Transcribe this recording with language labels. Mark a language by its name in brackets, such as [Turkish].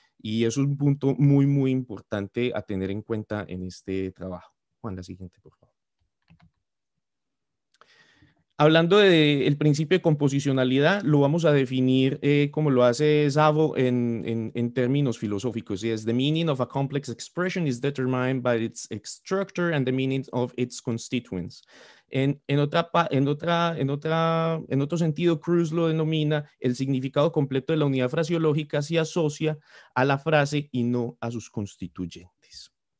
[Spanish] Y eso es un punto muy, muy importante a tener en cuenta en este trabajo. Juan, la siguiente, por favor. Hablando del principio de composicionalidad, lo vamos a definir como lo hace Szabo en términos filosóficos. Y es: [English] the meaning of a complex expression is determined by its structure and the meaning of its constituents. [Spanish] En otro sentido, Cruz lo denomina: el significado completo de la unidad fraseológica se asocia a la frase y no a sus constituyentes.